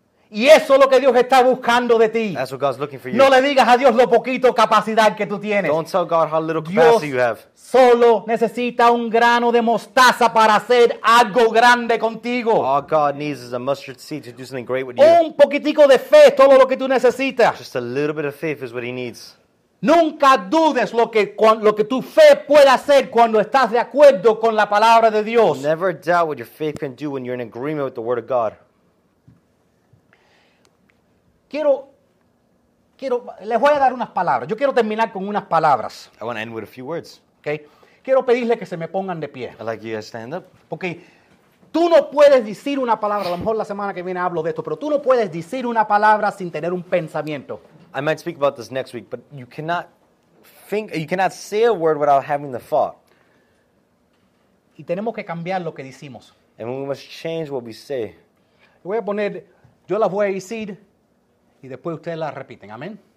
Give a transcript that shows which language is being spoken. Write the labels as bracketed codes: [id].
[es] Y eso es lo que Dios está buscando de ti. [en] That's what God's looking for you. [es] No le digas a Dios lo poquito capacidad que tú tienes. [en] Don't tell God how little capacity you have. [es] Dios solo necesita un grano de mostaza para hacer algo grande contigo. [en] All God needs is a mustard seed to do something great with you. [es] Un poquitico de fe es todo lo que tú necesitas. [en] Just a little bit of faith is what he needs. [es] Nunca dudes lo que tu fe puede hacer cuando estás de acuerdo con la palabra de Dios. [en] Never doubt what your faith can do when you're in agreement with the word of God. [es] Quiero, les voy a dar unas palabras. Yo quiero terminar con unas palabras. [en] I want to end with a few words. Okay. [es] Quiero pedirle que se me pongan de pie. [en] I'd like you to stand up. [es] Porque tú no puedes decir una palabra, a lo mejor la semana que viene hablo de esto, pero tú no puedes decir una palabra sin tener un pensamiento. [en] I might speak about this next week, but you cannot say a word without having the thought. [es] Y tenemos que cambiar lo que decimos. [en] And we must change what we say. [es] Yo las voy a decir. Y después ustedes la repiten. Amén.